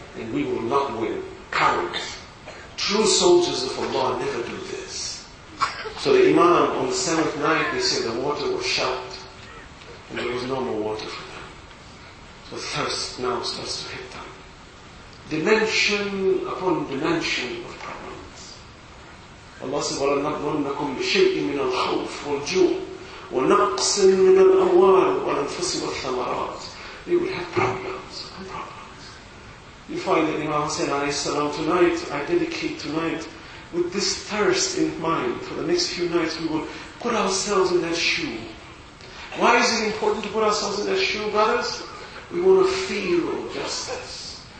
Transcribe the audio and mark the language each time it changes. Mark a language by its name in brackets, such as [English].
[English] And we will not win. Cowards. True soldiers of Allah never do this. So the Imam, on the seventh night, they say the water was shut. And there was no more water for them. So thirst now starts to hit them. dimension upon dimension of problems. Allah says, [Arabic] وَلَنَبْلُوَنَّكُمْ بِشَيْءٍ مِنَ الْخَوْفِ وَالْجُوعِ وَنَقْصٍ مِنَ الْأَمْوَالِ وَالْأَنْفُسِ وَالثَّمَرَاتِ. [English] They will have problems and problems. You find that Imam Hussein alayhi salam, tonight, I dedicate tonight with this thirst in mind, for the next few nights we will put ourselves in that shoe. Why is it important to put ourselves in that shoe, brothers? We want to feel justice.